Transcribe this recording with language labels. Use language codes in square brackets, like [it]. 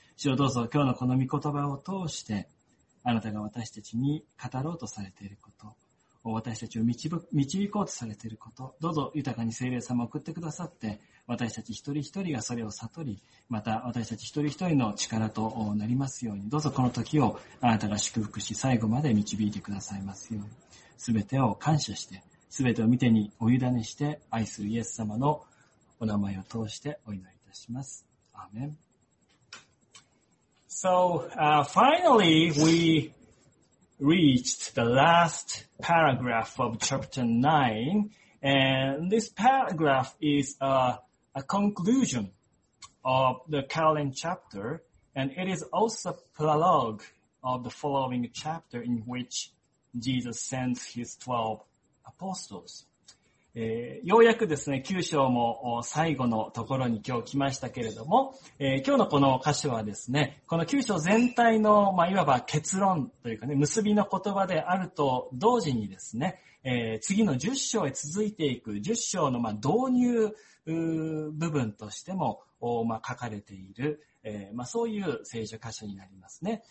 [ja] 主よ、どうぞ今日のこの御言葉を通して、あなたが私たちに語ろうとされていること、私たちを導こうとされていること、どうぞ豊かに聖霊様を送ってくださって、私たち一人一人がそれを悟り、また私たち一人一人の力となりますように、どうぞこの時をあなたが祝福し、最後まで導いてくださいますように、すべてを感謝して、すべてを御手にお委ねして、愛するイエス様のお名前を通してお祈りいたします。アーメン。 [en] So, finally, we reached the last paragraph of chapter 9, and this paragraph is a conclusion of the current chapter, and it is also prologue of the following chapter in which Jesus sends his 12 apostles. [ja] ようやくですね、9章も最後のところに今日来ましたけれども、今日のこの箇所はですね、この9章全体の、まあ、いわば結論というかね、結びの言葉であると同時にですね、次の10章へ続いていく、10章の、まあ、導入部分としても、まあ、書かれている、まあ、そういう聖書箇所になりますね。